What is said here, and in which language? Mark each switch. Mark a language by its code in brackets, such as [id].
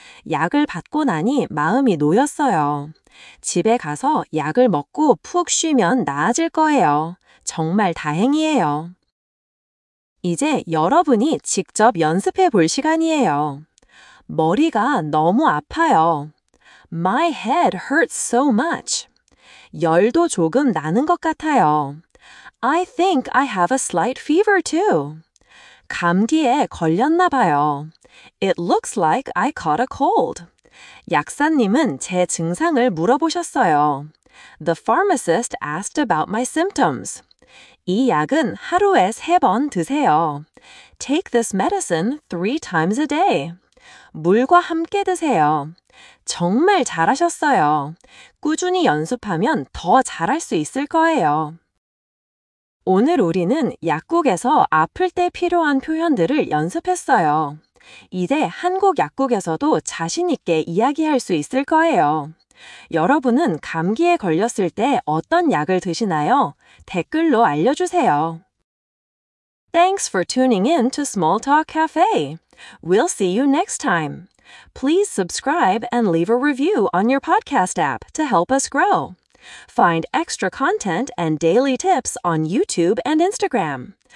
[ko] 약을 받고 나니 마음이 놓였어요. 집에 가서 약을 먹고 푹 쉬면 나아질 거예요. 정말 다행이에요. 이제 여러분이 직접 연습해 볼 시간이에요. 머리가 너무 아파요. [en] My head hurts so much. [ko] 열도 조금 나는 것 같아요. [en] I think I have a slight fever too. [ko] 감기에 걸렸나 봐요. [en] It looks like I caught a cold. [ko] 약사님은 제 증상을 물어보셨어요. [en] The pharmacist asked about my symptoms. [ko] 이 약은 하루에 3번 드세요. [en] Take this medicine 3 times a day. [ko] 물과 함께 드세요. 정말 잘하셨어요. 꾸준히 연습하면 더 잘할 수 있을 거예요. 오늘 우리는 약국에서 아플 때 필요한 표현들을 연습했어요. 이제 한국 약국에서도 자신 있게 이야기할 수 있을 거예요. 여러분은 감기에 걸렸을 때 어떤 약을 드시나요? 댓글로 알려주세요. [en] Thanks for tuning in to Small Talk Cafe. We'll see you next time. Please subscribe and leave a review on your podcast app to help us grow. Find extra content and daily tips on YouTube and Instagram.